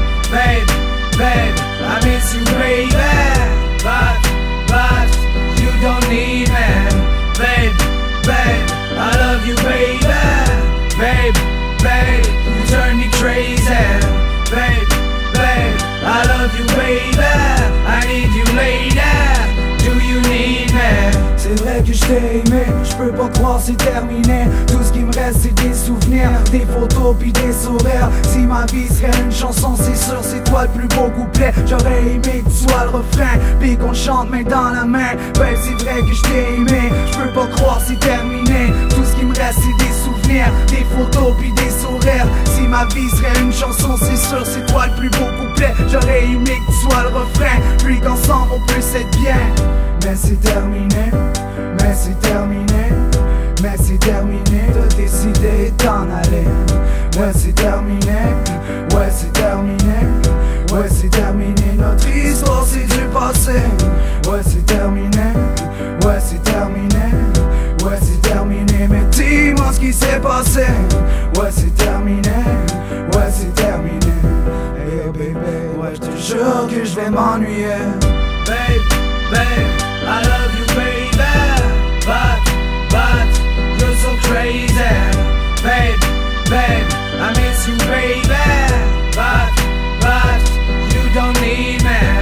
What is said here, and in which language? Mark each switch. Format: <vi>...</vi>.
<en>Babe, I miss you baby, but you don't need me. Babe, I love you baby. Babe, you turn me crazy. Babe, I love you baby, I need you later. Do you need me?</en> <fr>C'est vrai que je t'ai aimé, je peux pas croire c'est terminé. Tout ce qui me reste c'est des souvenirs, des photos pis des sourires. Si ma vie serait une chanson, c'est sûr c'est toi le plus beau couplet. J'aurais aimé que tu sois le refrain, pis qu'on chante main dans la main. Ben c'est vrai que je t'ai aimé, je peux pas croire c'est terminé. Tout ce qui me reste c'est des souvenirs, des photos pis des sourires. Si ma vie serait une chanson, c'est sûr c'est toi le plus beau couplet. J'aurais aimé que tu sois le refrain, puis qu'ensemble on puisse être bien. Mais c'est terminé, mais c'est terminé, mais c'est terminé de décider d'en aller. Ouais c'est terminé, ouais c'est terminé, ouais c'est terminé, notre histoire c'est du passé. Ouais c'est terminé, ouais c'est terminé, ouais c'est terminé, mais dis-moi ce qui s'est passé. Ouais c'est terminé, ouais c'est terminé. Hey oh bébé, ouais je te jure que je vais m'ennuyer.</fr> <en>Babe, I love you baby, but you're so crazy. Babe, I miss you baby, but you don't need me.</en>